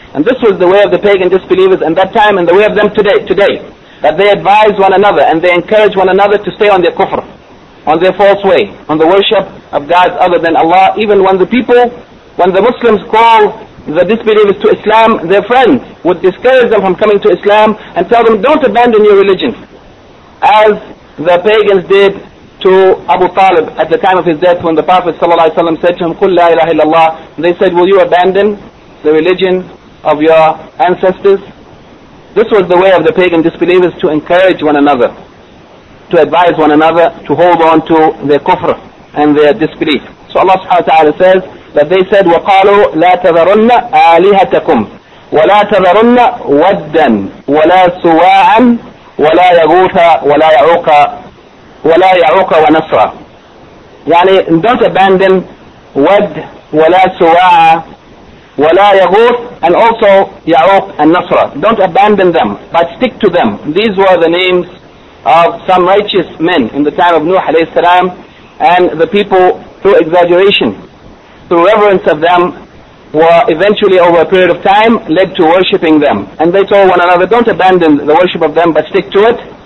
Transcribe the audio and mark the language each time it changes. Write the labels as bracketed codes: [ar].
[en] And this was the way of the pagan disbelievers in that time, and the way of them today, that they advise one another, and they encourage one another to stay on their kufr, on their false way, on the worship of gods other than Allah, even when the people, when the Muslims call the disbelievers to Islam, their friends would discourage them from coming to Islam, and tell them, don't abandon your religion, as the pagans did to Abu Talib at the time of his death, when the Prophet ﷺ said to him, [ar] قُلْ لَا إِلَهَ إِلَّا اللَّهِ. [en] They said, will you abandon the religion of your ancestors? This was the way of the pagan disbelievers to encourage one another, to advise one another to hold on to their kufr and their disbelief. So Allah subhanahu wa ta'ala says that they said, [ar] وَقَالُوا لَا تَذَرُنَّ آلِهَتَكُمْ وَلَا تَذَرُنَّ وَدًّا وَلَا سُوَاعًا وَلَا يَغُوثَ وَلَا يَعُوقَ وَلَا يَعُوقَ وَنَصْرَ. [en] يعني don't abandon ود ولا سواع ولا يغوث and also يعوق and نصرة. Don't abandon them, but stick to them. These were the names of some righteous men in the time of Nuh alayhi salam, and the people, through exaggeration, through reverence of them, were eventually over a period of time led to worshipping them. And they told one another, don't abandon the worship of them, but stick to it.